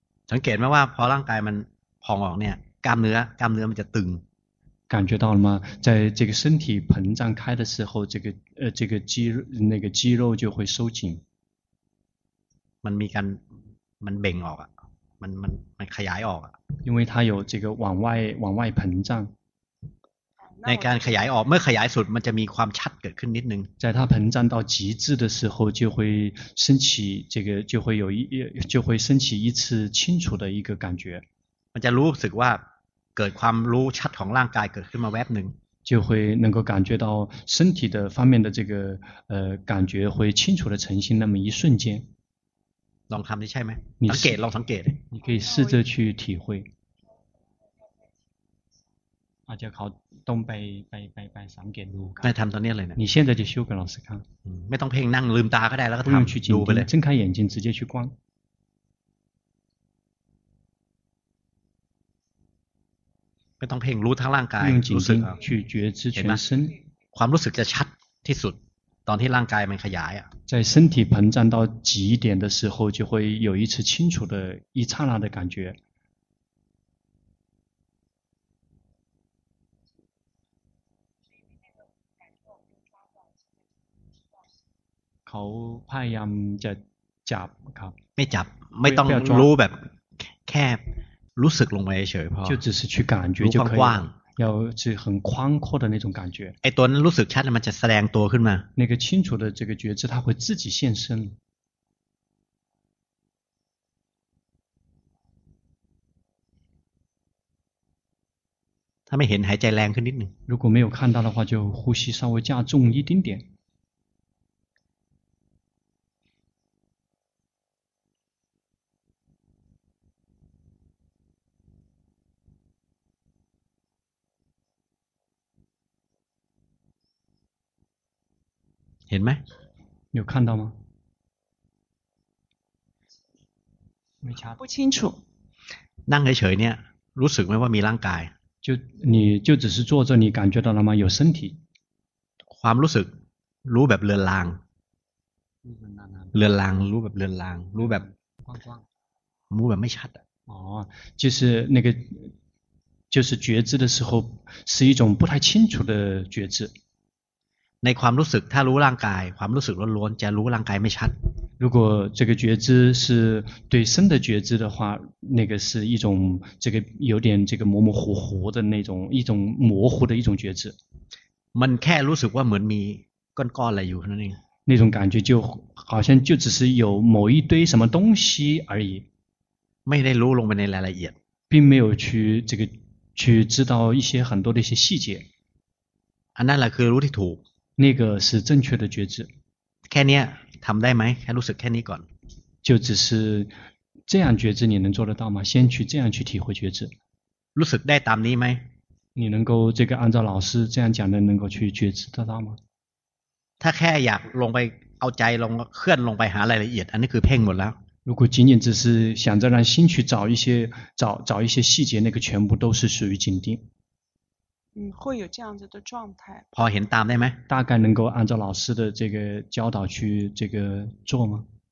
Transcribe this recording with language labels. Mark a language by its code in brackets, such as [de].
[th] สังเกตไหมว่าพอร่างกายมันพองออกเนี่ยกล้ามเนื้อมันจะตึง [zh] 感觉到了吗？在这个身体膨胀开的时候，这个肌肉那个肌肉就会收紧。 [th] มันมีการมันเบ่งออกอ่ะมันขยายออกอ่ะ [zh] 因为它有这个往外膨胀。感 [th] ในการขยายออกเมื่อขยายสุดมันจะมีความชัดเกิดขึ้นนิดนึง [zh] 在它膨胀到极致的时候就会升起这个就会有一就会升起一次清楚的一个感觉 [th] มันจะรู้สึกว่าเกิดความรู้ชัดของร่างกายเกิดขึ้นมาแวบหนึ่ง [zh] 就会能够感觉到身体的方面的这个感觉会清楚的呈现那么一瞬间 [th] ลองทำได้ใช่ไหมสังเกตลองสังเกต [zh] 你可以试着去体会啊就靠动 [th] ไปสังเกตดู ได้ทำตอนนี้เลยนะ [zh] 你现在就修给老师看 [th] ไม่ต้องเพ่งนั่งลืมตาก็ได้แล้วก็ทำดู [zh] ไปเลย睁开眼睛直接去观 [th] ไม่ต้องเพ่งรู้ทั้งร่างกายรู้ [zh] สึก去觉知全身 [th] ความรู้สึกจะชัดที่สุดตอนที่ร่างกายมันขยายอ่ะ [zh] 在身体膨胀到极点的时候就会有一次清楚的一刹那的感觉 [th] เขาพยายามจะจับครับ ไม่จับไม่ต้องรู้แบบแค่รู้สึกลงไปเฉยๆพอ [zh] 就只是去感觉就可以了要是很宽阔的那种感觉 [th] ไอ้ตัวนั้นรู้สึกชัดมันจะแสดงตัวขึ้นมา [zh] 那个清楚的这个觉知它会自己现身 [th] ถ้าไม่เห็นหายใจแรงขึ้นนิดนึง [zh] 如果没有看到的话就呼吸稍微加重一丁点 [th] เห็นไหม [zh] 有看到吗 [th] ไม่ชัด [zh] 不清楚 [th] นั่งเฉยๆเนี่ยรู้สึกไหมว่ามีร่างกาย [zh] 就你就只是坐着你感觉到了吗有身体 [th] ความรู้สึกรู้แบบเลือนลางเลือนลางรู้แบบเลือนลางรู้แบบ กว้าง ๆรู้แบบไม่ชัด [zh] อ๋อ就是那个就是觉知的时候是一种不太清楚的觉知 [th] ในความรู้สึกถ้ารู้ร่างกายความรู้สึกล้วนๆจะรู้ร่างกายไม่ชัด [zh] 如果这个觉知是对身的觉知的话那个是一种这个有点这个模模糊糊的那种一种模糊的一种觉知 [th] มันแค่รู้สึกว่าเหมือนมีก้อนๆอะไรอยู่นั่นเอง [zh] 那种感觉就好像就只是有某一堆什么东西而已 [th] ไม่ได้รู้ลงไปในรายละเอียด [zh] 并没有去这个去知道一些很多的一些细节 [th] อันนั้นแหละคือรู้ที่ถูก นี่ก็ [zh] 是正确的觉知 [th] แค่นี้ทำได้ไหมแค่รู้สึกแค่นี้ก่อน [zh] 就只是这样觉知你能做得到吗先去这样去体会觉知 [th] รู้สึกได้ตามนี้ไหม [zh] 你能够这个按照老师这样讲的能够去觉知得到吗 [th] ถ้าแค่อยากลงไปเอาใจลงเคลื่อนลงไปหารายละเอียดอันนี้คือเพ่งหมดแล้ว [zh] 如果仅仅只是想着让心去找一些找一些细节那个全部都是属于紧盯会有这样子的状态 [th] พอเห็นตามได้ไหม [zh] 大概能够按照老师的这个教导去这个做吗